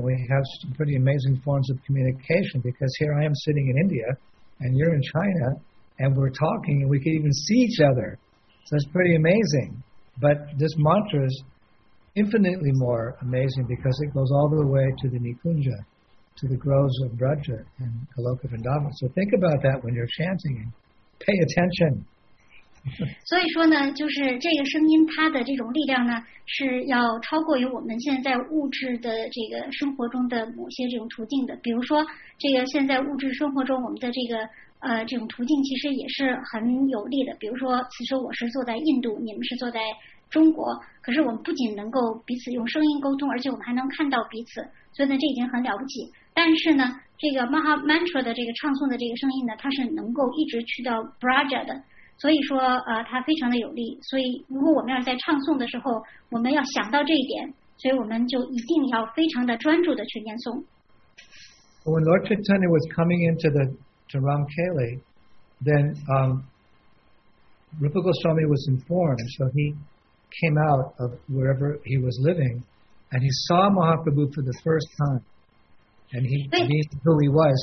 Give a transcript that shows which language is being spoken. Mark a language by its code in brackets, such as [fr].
[en] We have some pretty amazing forms of communication, because here I am sitting in India, and you're in China, and we're talking, and we can even see each other. So it's pretty amazing. But this mantra is infinitely more amazing, because it goes all the way to the Nikunja, to the groves of Braja and Goloka Vrindavan. So think about that when you're chanting. Pay attention. [zh] 所以说呢，就是这个声音它的这种力量呢，是要超过于我们现在物质的这个生活中的某些这种途径的。比如说，这个现在物质生活中我们的这个这种途径其实也是很有力的。比如说，此时我是坐在印度，你们是坐在中国，可是我们不仅能够彼此用声音沟通，而且我们还能看到彼此，所以呢，这已经很了不起。但是呢，这个 Maha Mantra 的这个唱诵的这个声音呢，它是能够一直去到 Braja 的，所以说它非常的有力。所以如果我们要在唱诵的时候，我们要想到这一点，所以我们就一定要非常的专注的去念诵。 [en] When Lord Chaitanya was coming into the to Ramkeli, then Rupa Goswami was informed, so he came out of wherever he was living, and he saw Mahaprabhu for the first time, and he knew who he was.